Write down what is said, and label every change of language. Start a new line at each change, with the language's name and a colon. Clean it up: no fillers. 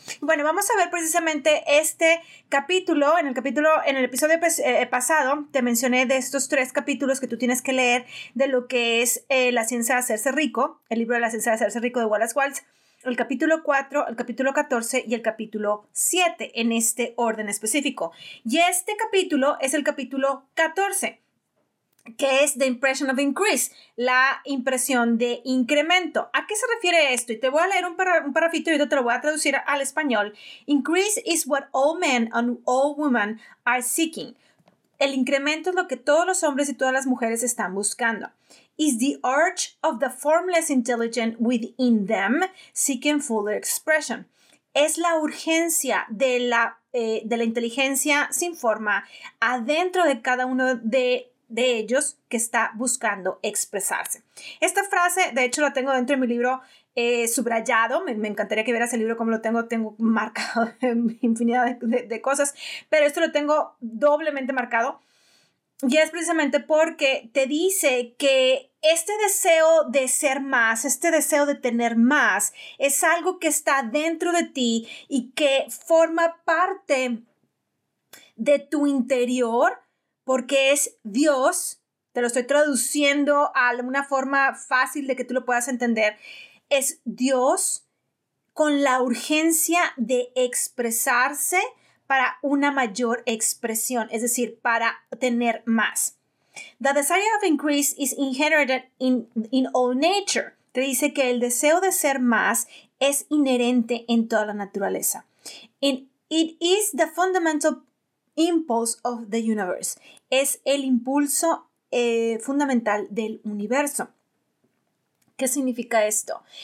Spanish: Bueno, vamos a ver precisamente este capítulo. En el episodio pasado te mencioné de estos tres capítulos que tú tienes que leer de lo que es La Ciencia de Hacerse Rico, el libro de La Ciencia de Hacerse Rico de Wallace Waltz, el capítulo 4, el capítulo 14 y el capítulo 7 en este orden específico. Y este capítulo es el capítulo 14, que es
English: The Impression of Increase,
Spanish: la impresión de incremento. ¿A qué se refiere esto? Y te voy a leer un parrafito y te lo voy a traducir al español.
English: Increase is what all men and all women are seeking.
Spanish: El incremento es lo que todos los hombres y todas las mujeres están buscando.
English: Is the urge of the formless intelligence within them seeking fuller expression.
Spanish: Es la urgencia de la inteligencia sin forma adentro de cada uno de ellos que está buscando expresarse. Esta frase, de hecho, la tengo dentro de mi libro subrayado. Me encantaría que vieras el libro como lo tengo. Tengo marcado infinidad de cosas, pero esto lo tengo doblemente marcado. Y es precisamente porque te dice que este deseo de ser más, este deseo de tener más, es algo que está dentro de ti y que forma parte de tu interior, porque es Dios, te lo estoy traduciendo a una forma fácil de que tú lo puedas entender, es Dios con la urgencia de expresarse para una mayor expresión, es decir, para tener más.
English: The desire of increase is inherent in all nature.
Spanish: Te dice que el deseo de ser más es inherente en toda la naturaleza.
English: It is the fundamental impulse of the universe.
Spanish: Es el impulso fundamental del universo. ¿Qué significa esto?